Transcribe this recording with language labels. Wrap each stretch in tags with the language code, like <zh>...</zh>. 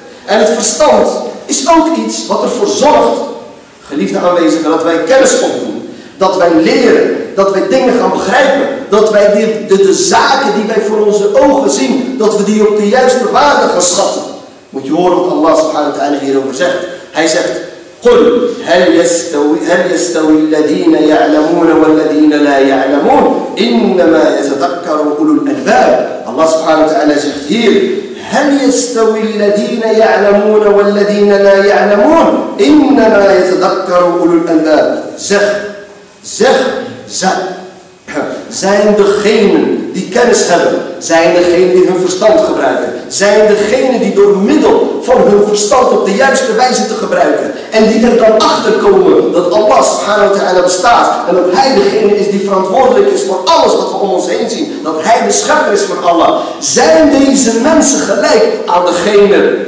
<nl>En het verstand is ook iets wat ervoor zorgt, geliefde aanwezigen, dat wij kennis opdoen. Dat wij leren, dat wij dingen gaan begrijpen. Dat wij de zaken die wij voor onze ogen zien, dat we die op de juiste waarde gaan schatten. Moet je horen wat Allah subhanahu wa ta'ala hierover zegt. Hij zegt,</nl> <ar>قل هل يستوي الذين يعلمون والذين لا يعلمون إنما يتذكر أولو الألباب. الله سبحانه وتعالى</ar> <nl>زيغت هير</nl> <ar>هل يستوي الذين يعلمون والذين لا يعلمون إنما يتذكر أولو الألباب.</ar> <nl>زغ zijn degenen die kennis hebben, zijn degenen die hun verstand gebruiken, zijn degenen die door middel van hun verstand op de juiste wijze te gebruiken en die er dan achter komen dat Allah subhanahu wa ta'ala bestaat en dat hij degene is die verantwoordelijk is voor alles wat we om ons heen zien, dat hij de schepper is van Allah, zijn deze mensen gelijk aan degenen</nl>